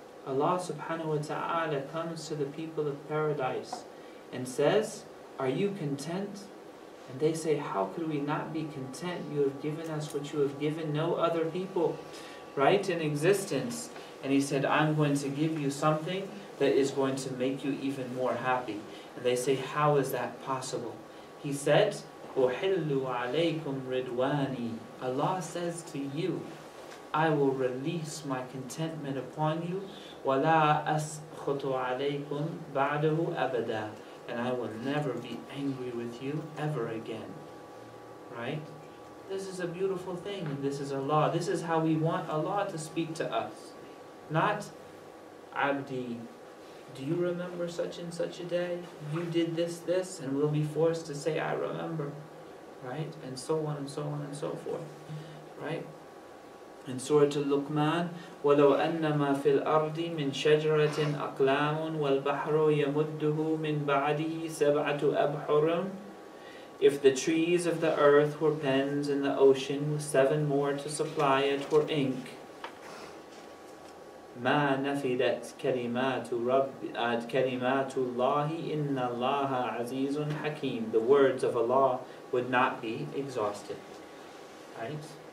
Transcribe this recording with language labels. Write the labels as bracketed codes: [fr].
[en] Allah subhanahu wa ta'ala comes to the people of paradise and says, are you content? And they say, how could we not be content? You have given us what you have given no other people, right, in existence. And he said, I'm going to give you something that is going to make you even more happy. And they say, how is that possible? He said, [ar] أُحِلُّ عَلَيْكُمْ رِدْوَانِي. [en] Allah says to you, I will release my contentment upon you. [ar] وَلَا أَسْخُطُ عَلَيْكُمْ بَعْدَهُ أَبَدًا. [en] And I will never be angry with you ever again. Right? This is a beautiful thing. And this is Allah. This is how we want Allah to speak to us. Not, Abdi, do you remember such and such a day? You did this, and we'll be forced to say, I remember. Right? And so on and so on and so forth. Right? In Surah Al-Luqman, [ar] وَلَوْ أَنَّمَا فِي الْأَرْضِ مِنْ شَجْرَةٍ أَقْلَامٌ وَالْبَحْرُ يَمُدُّهُ مِنْ بَعْدِهِ سَبْعَةُ أَبْحُرٌ. [en] If the trees of the earth were pens and the ocean with seven more to supply it were ink, [ar] مَا نَفِدَتْ كَلِمَاتُ رَبِّ كَلِمَاتُ اللَّهِ إِنَّ اللَّهَ عَزِيزٌ حَكِيمٌ. [en] The words of Allah would not be exhausted. Right?